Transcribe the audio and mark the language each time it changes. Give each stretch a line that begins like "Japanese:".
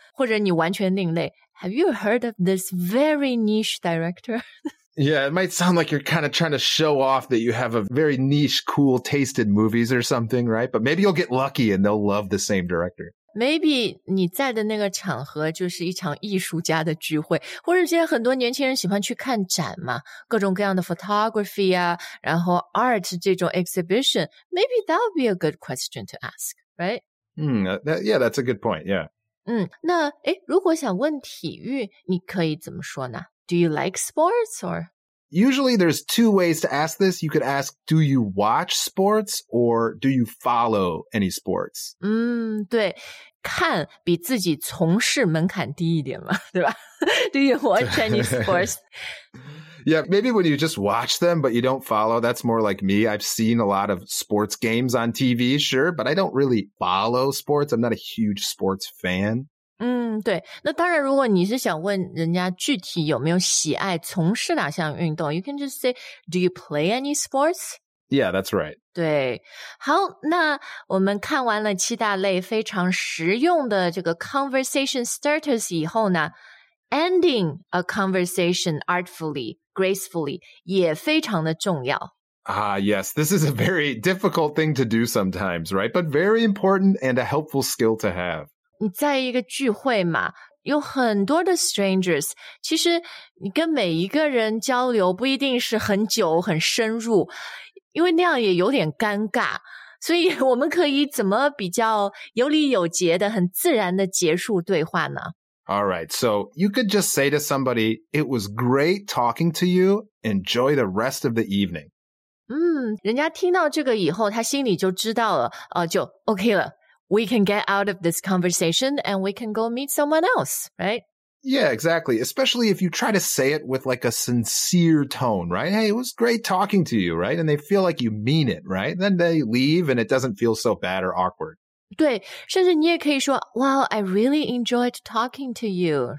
Chinese: 或者你完全另类。
English: Have you heard of this very niche director? Yeah, it might sound like you're kind of trying to show off that you have a very niche, cool tasted movies or something, right? But maybe you'll get lucky and they'll love the same director.
Chinese: Maybe 你在的那个场合就是一场艺术家的聚会，或者现在很多年轻人喜欢去看展嘛，各种各样的 photography 啊，然后 art 这种 exhibition.
English: Maybe that would be a good question to ask, right? Yeah, that's a good point, yeah.
Chinese: 那诶，如果想问体育，你可以怎么说呢？
English: Do you like sports or? Usually there's two ways to ask this. You could ask, do you watch sports or do you follow any sports?
Chinese: 对。看比自己从事门槛低一点嘛，对吧?
English: Do you watch any sports? Yeah, maybe when you just watch them, but you don't follow, that's more like me. I've seen a lot of sports games on TV, sure, but I don't really follow sports. I'm not a huge sports fan.
Chinese: 对，那当然，如果你是想问人家具体有没有喜爱从事哪项运动 ，
English: you can just say, "Do you play any sports?" Yeah, that's right.
Chinese: 对，好，那我们看完了七大类非常实用的这个 conversation starters 以后呢 ，
English: ending a conversation artfully, gracefully
Chinese: 也非常的重要。
English: Yes, this is a very difficult thing to do sometimes, right? But very important and a helpful skill to have.
Chinese: 你在一个聚会嘛，有很多的 strangers, 其实你跟每一个人交流不一定是很久很深入，因为那样也有点尴尬，所以我们可以怎么比较有礼有节的很自然的结束对话呢？
English: All right, so you could just say to somebody, it was great talking to you, enjoy the rest of the evening.
Chinese: 人家听到这个以后，他心里就知道了，就 OK 了。
English: We can get out of this conversation and we can go meet someone else, right? Yeah, exactly. Especially if you try to say it with like a sincere tone, right? Hey, it was great talking to you, right? And they feel like you mean it, right? Then they leave and it doesn't feel so bad or awkward.
Chinese: 对，甚至你也可以说
English: Wow, I really enjoyed talking to you.